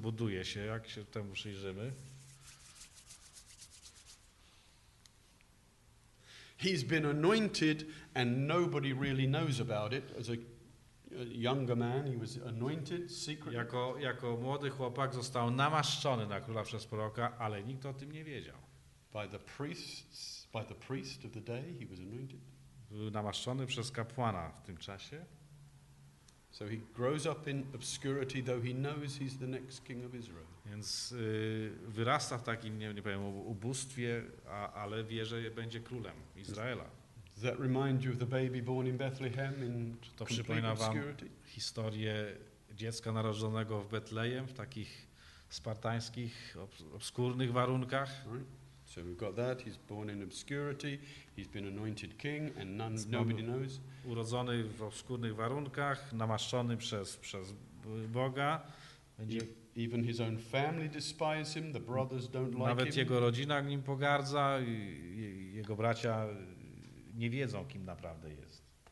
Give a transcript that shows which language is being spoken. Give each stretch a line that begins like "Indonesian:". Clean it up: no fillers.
Polish: Buduje się, jak się temu przyjrzymy.
English: He's been anointed and nobody really knows about it. As a younger man, he was anointed secretly.
Polish: Jako młody chłopak został namaszczony na króla przez proroka, ale nikt o tym nie wiedział.
English: By the priest of the day, he was anointed.
Polish: Był namaszczony przez kapłana w tym czasie.
English: So he grows up in obscurity, though he knows he's the next king of Israel.
Polish: Więc wyrasta w takim, nie powiem, ubóstwie, ale wie, że będzie królem Izraela.
English: Does that remind you of the baby born in Bethlehem in
Polish: To przypomina wam historię dziecka narodzonego w Betlejem w takich spartańskich, obskurnych warunkach.
English: Right. So we've got that. He's born in obscurity. He's been anointed king, and nobody knows.
Polish: Urodzony w obskurnych warunkach, namaszczony przez Boga.
English: Even his own family despise him. The brothers don't like him.
Polish: Nawet jego rodzina nim pogardza. Jego bracia nie wiedzą, kim naprawdę jest.